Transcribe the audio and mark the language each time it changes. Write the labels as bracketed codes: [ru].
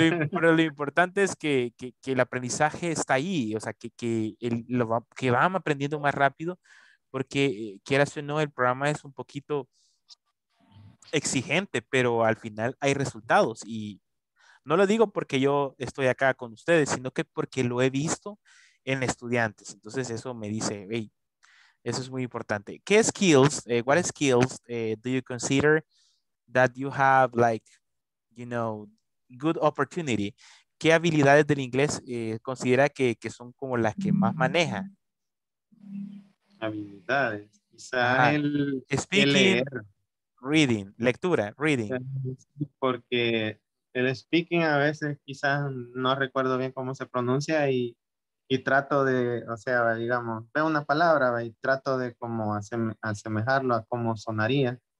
[es] lo importante es que el aprendizaje está ahí, o sea, que van aprendiendo más rápido, porque quieras o no, el programa es un poquito exigente, pero al final hay resultados, y no lo digo porque yo estoy acá con ustedes, sino que porque lo he visto en estudiantes, entonces eso me dice, hey, eso es muy importante. ¿Qué skills, [en] what skills do you consider that you have, like, you know, good opportunity? [es] ¿Qué habilidades del inglés considera que son como las que más maneja? Habilidades. Quizá el leer, reading, lectura. Porque el speaking a veces quizás no recuerdo bien cómo se pronuncia y trato de, o sea, digamos, veo una palabra y trato de como asemejarlo a cómo sonaría.